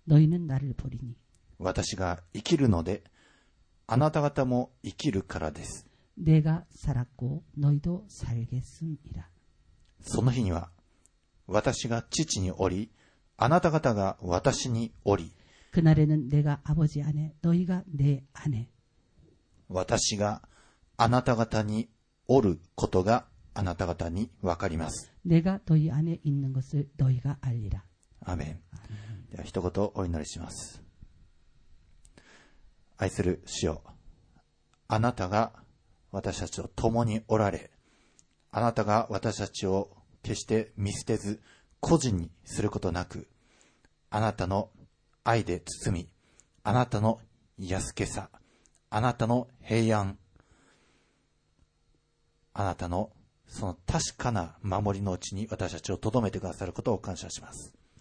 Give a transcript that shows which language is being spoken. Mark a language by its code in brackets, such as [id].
[ko] 너희는나를보리니 [ja] 私が生きるのであなた方も生きるからです。 [ko] 내가살았고너희도살겠음이라。 [ja] その日には私が父におりあなた方が私におり [ko] 그날에는내가아버지안에너희가내안에 [ja] 私があなた方におることがあなた方にわかります。 [ko] 내가너희안에있는것을너희가알리라。 [ja] アーメン。では一言お祈りします。愛する主よ、あなたが私たちと共におられ、あなたが私たちを決して見捨てず孤児にすることなく、あなたの愛で包み、あなたの安けさ、あなたの平安、あなたのその確かな守りのうちに私たちを留めてくださることを感謝します。